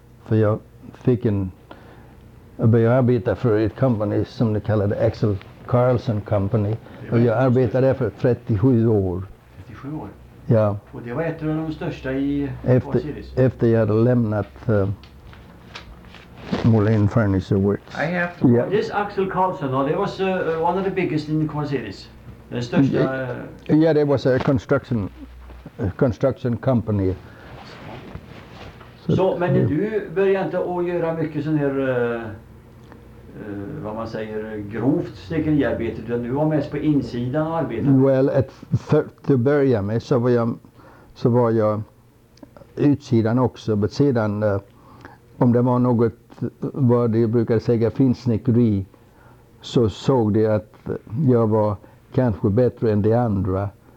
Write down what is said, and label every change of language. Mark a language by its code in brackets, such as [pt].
[sv] För jag fick en, jag började arbeta för ett company som det kallade Axel Carlson Company. Och jag arbetade där för 37 år. 37 år? Ja. Och det var ett av de största i [en] Series? [sv] Efter jag hade lämnat Molin Furniture Works. [en] I have to. Yeah. This Axel Carlson, no, there was one of the biggest in the Quad Cities. [sv] The största. [en] Yeah, there was a construction company. So, men yeah. [sv] Du började inte att göra mycket sån här vad man säger grovt snickeriarbete, utan du var mest på insidan och arbetade. Well, to börja med så var jag utsidan också, men sedan om det var något vad de brukade säga finsnickeri, så såg de att jag var kanske bättre än de andra.